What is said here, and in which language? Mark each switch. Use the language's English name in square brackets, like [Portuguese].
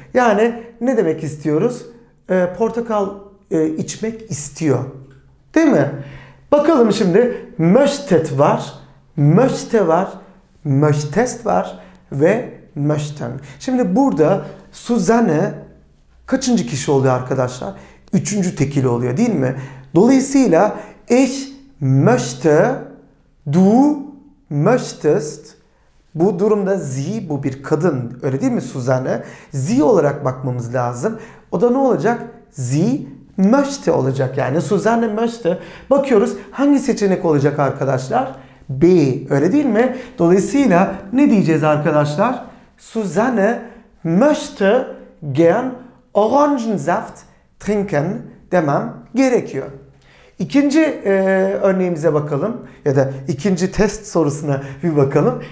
[Turkish] Yani ne demek istiyoruz? Portakal içmek istiyor. Değil mi? Bakalım şimdi. Möchtet var. Möchte var. Möchtest var. Ve möchten. Şimdi burada Susanne kaçıncı kişi oluyor arkadaşlar? Üçüncü tekil oluyor değil mi? Dolayısıyla [German] ich möchte, du möchtest. [Turkish] Bu durumda sie, bu bir kadın, öyle değil mi Susanne? Sie olarak bakmamız lazım. O da ne olacak? [German] Sie möchte [Turkish] olacak, yani [German] Susanne möchte. [Turkish] Bakıyoruz hangi seçenek olacak arkadaşlar? B, öyle değil mi? Dolayısıyla ne diyeceğiz arkadaşlar? [German] Susanne möchte gern Orangensaft trinken [Turkish] demem gerekiyor. İkinci örneğimize bakalım ya da ikinci test sorusuna bir bakalım.